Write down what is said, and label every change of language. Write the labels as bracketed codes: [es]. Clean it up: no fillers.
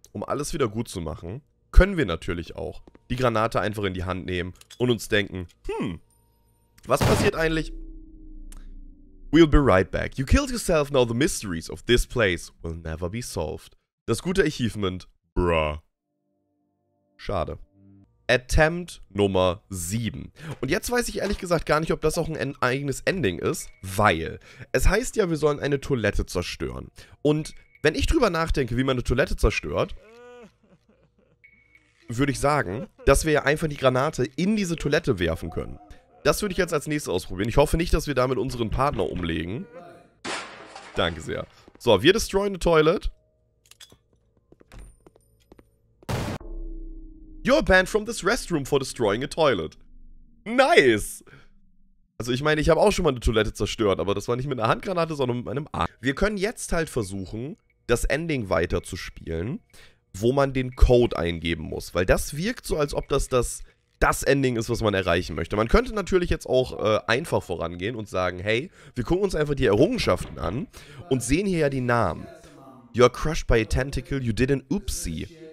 [de] Um alles wieder gut zu machen, können wir natürlich auch die Granate einfach in die Hand nehmen und uns denken, was passiert eigentlich? [en] We'll be right back. You killed yourself, now the mysteries of this place will never be solved. [de] Das gute Achievement, bruh. Schade. Attempt Nummer 7. Und jetzt weiß ich ehrlich gesagt gar nicht, ob das auch ein eigenes Ending ist, weil es heißt ja, wir sollen eine Toilette zerstören. Und wenn ich drüber nachdenke, wie man eine Toilette zerstört, würde ich sagen, dass wir ja einfach die Granate in diese Toilette werfen können. Das würde ich jetzt als nächstes ausprobieren. Ich hoffe nicht, dass wir damit unseren Partner umlegen. Danke sehr. So, wir destroyen [en] the toilet. You're banned from this restroom for destroying a toilet. Nice! [de] Also ich meine, ich habe auch schon mal eine Toilette zerstört, aber das war nicht mit einer Handgranate, sondern mit meinem Arm. Wir können jetzt halt versuchen, das Ending weiterzuspielen, wo man den Code eingeben muss. Weil das wirkt so, als ob das Ending ist, was man erreichen möchte. Man könnte natürlich jetzt auch einfach vorangehen und sagen, hey, wir gucken uns einfach die Errungenschaften an und sehen hier ja die Namen. [en] You're crushed by a tentacle, you did an oopsie.